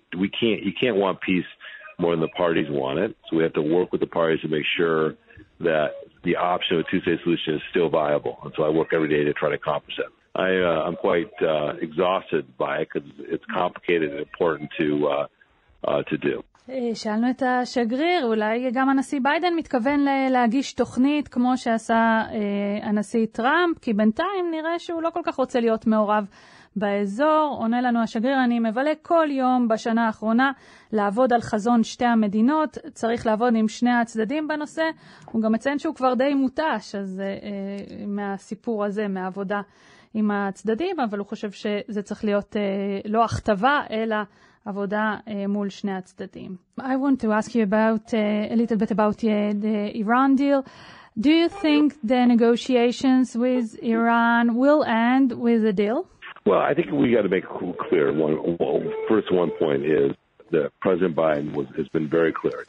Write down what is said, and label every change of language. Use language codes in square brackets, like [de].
[en] You can't want peace more than the parties want it. So we have to work with the parties to make sure that the option of a two-state solution is still viable. And so I work every day to try to accomplish it. I'm quite exhausted by it because it's complicated and important to do. [he] שאלנו את השגריר, אולי גם הנשיא ביידן מתכוון להגיש תוכנית כמו שעשה הנשיא טראמפ, כי בינתיים נראה שהוא לא כל כך רוצה להיות מעורב באזור. עונה לנו השגריר, אני מבלה כל יום בשנה האחרונה לעבוד על חזון שתי המדינות, צריך לעבוד עם שני הצדדים בנושא. הוא גם מציין שהוא כבר די מותש אז מהסיפור הזה, מהעבודה עם הצדדים, אבל הוא חושב שזה צריך להיות לא הכתבה אלא עבודה מול שני הצדדים. [en] I want to ask you about a little bit about the Iran deal. Do you think the negotiations with Iran will end with a deal? Well, I think we got to make clear one point is that President Biden has been very clear.